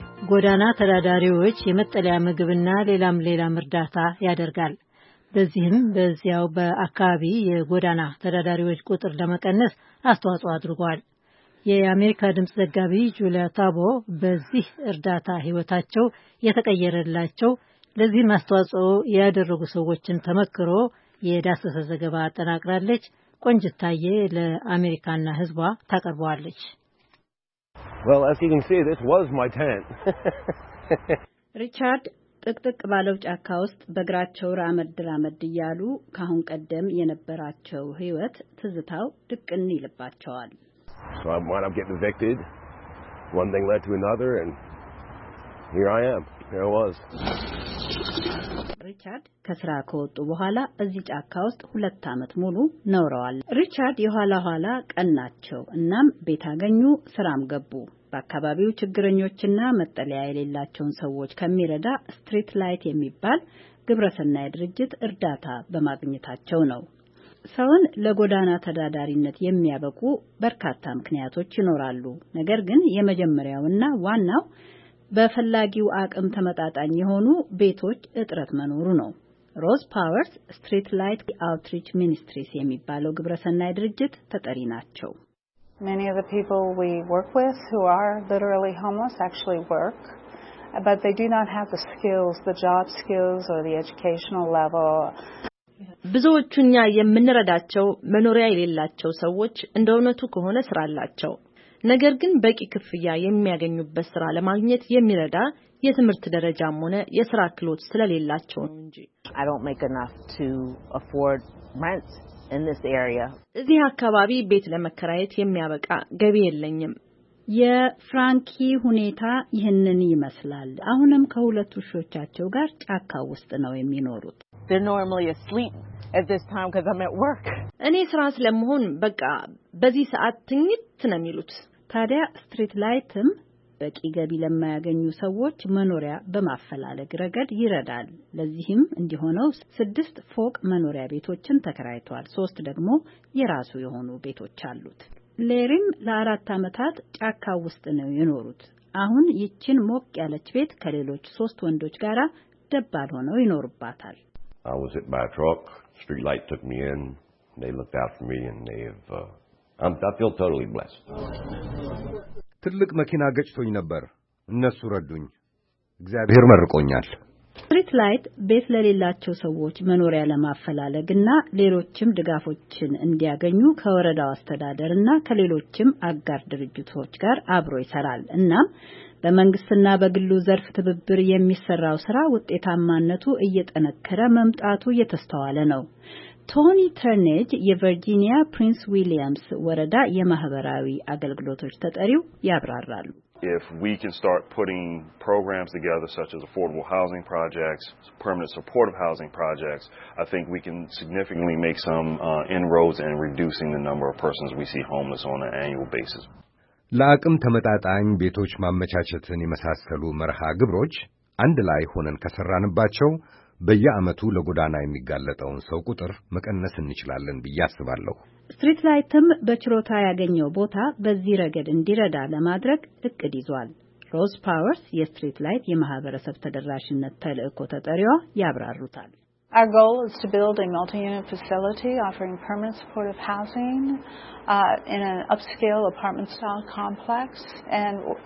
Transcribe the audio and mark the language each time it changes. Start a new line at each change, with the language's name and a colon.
Amharic: ጎዳና ተዳዳሪዎች የመጠለያ ምግብና ሌላም እርዳታ ያደርጋል። በዚህም በዚያው በአካባቢ የጎዳና ተዳዳሪዎች ቁጥር ለመቀነስ አስተዋጽኦ አድርጓል። የአሜሪካ ድምጽ ዘጋቢ ጁሊያ ታቦ በዚህ እርዳታ ህይወታቸው የተቀየረላቸው ለዚህ ማስተዋጽኦ ያደረጉ ሰዎችን ተመክሮ የዳሰሰ ዘገባ አጠናቅራለች። ቆንጅታዬ ለአሜሪካና ህዝቧ ታቀርባለች።
English: Well, as you can see, this was my tent.
Amharic: Richard ጥቅጥቅ ባለው ጫካ ውስጥ በግራቸው ራመድ ራመድ ይያሉ ካሁን ቀደም የነበራቸው ህይወት ትዝታው ድቅን ይልባቸዋል።
English: So I wound up getting evicted. One thing led to another and here I am. Here I was.
Amharic: Richard ከስራ ከወጡ በኋላ እዚህ ጫካ ውስጥ 2 አመት ሙሉ ኖረዋል። Richard የኋላ ኋላ ቀናቸው እናም ቤት አገኙ ስራም ገቡ። በአካባቢው ችግረኞችና መጠለያ የሌላቸውን ሰዎች ከመረዳ ስትሪት ላይት የሚባል ግብረሰናይ ድርጅት እርዳታ በማግኘታቸው ነው። ሰውን ለጎዳና ተዳዳሪነት የሚያበቁ በርካታ ምክንያቶች ይኖራሉ። ነገር ግን የመጀመሪያውና ዋናው በፈላጊው አቅም ተመጣጣኝ የሆኑ ቤቶች እጥረት መኖሩ ነው። ሮዝ ፓወርስ ስትሪት ላይት አውትሪች ሚኒስትሪስ የሚባለው ግብረሰናይ ድርጅት ተጠሪ ናቸው።
English: Many of the people we work with who are literally homeless actually work, but they do not have the skills, the job skills or the educational level.
Amharic: ብዙዎቹኛ የምንረዳቸው መኖሪያ የሌላቸው ሰዎች እንደሆነቱ ከሆነ ስራ አላቸው። ነገር ግን በቂ ክፍያ የሚያገኙበት ስራ ለማግኘት የሚረዳ የትምህርት ደረጃም ሆነ የስራ ክህሎት ስለሌላቸው ነው እንጂ
English: I don't make enough to afford rent. In this area
Amharic: እዚህ አካባቢ ቤት ለመከራየት የሚያበቃ ገቢ የለኝም። የፍራንኪ ሁኔታ ይህንን ይመስላል። አሁንም ከሁለት ውሾቻቸው ጋር ጫካ ውስጥ ነው የሚኖሩት።
English: They're normally asleep at this time because I'm at work.
Amharic: እኔ ስራ ስለመሆን በቃ በዚህ ሰዓት ትኝት ነው የሚሉት። ታዲያ ስትሪት ላይትም በቂ ገቢ ለማያገኙ ሰዎች መኖሪያ በማፈላለግ ረገድ ይረዳል። ለዚህም እንዲሆነው 6 ፎቅ መኖሪያ ቤቶችን ተከራይቷል። 3 ደግሞ የራሱ የሆኑ ቤቶች አሉት። ሌሪም ለ4 አመታት ጫካ ውስጥ ነው የኖሩት። አሁን ይቺን ሞቅ ያለች ቤት ከሌሎች 3 ወንዶች ጋራ ደባል ሆነው ይኖሩባታል።
English: I was hit by a truck. Street light took me in. They looked out for me and they've I feel totally blessed.
Amharic: ትልቅ መኪና ገጭቶኝ ነበር እነሱ ረዱኝ እግዚአብሔር መርቆኛል። ስትሪት ላይት ቤት ለሌላቸው ሰዎች መኖሪያ ለማፈላለግና ሌሎችም ድጋፎችን እንዲያገኙ ከወረዳው አስተዳደርና ከሌሎችም አጋር ድርጅቶች ጋር አብሮ ይሰራል። እናም በመንግስትና በግሉ ዘርፍ ትብብር የሚሰራው ስራ ውጤታማነቱ እየጠነከረ መምጣቱ እየተስተዋለ ነው። ቶኒ ተርኔጅ የቨርጂኒያ ፕሪንስ ዊሊያምስ ወረዳ የማህበራዊ አገልግሎቶች ተጠሪው ያብራራሉ።
English: If we can start putting programs together such as affordable housing projects, permanent supportive housing projects, I think we can significantly make some inroads in reducing the number of persons we see homeless on an annual basis.
Amharic: ለአቅም ተመጣጣኝ ቤቶች ማመቻቸትን የመሳሰሉ መርሃ ግብሮች አንድ ላይ ሆነን ከሰራንባቸው በየአመቱ ለጎዳና የሚጋለጠውን ሰው ቁጥር መቀነስ እንችላለን ብያስባለሁ። ስትሪት ላይትም በችሮታ ያገኘው ቦታ በዚህ ረገድ እንዲረዳ ለማድረግ እቅድ ይዟል። ሮዝ ፓወርስ የስትሪት ላይት የማህበረሰብ ተደራሽነት ተልእኮ ተጠሪዋ ያብራሩታል።
English: Our goal is to build a multi-unit facility offering permanent supportive housing in an upscale apartment-style complex and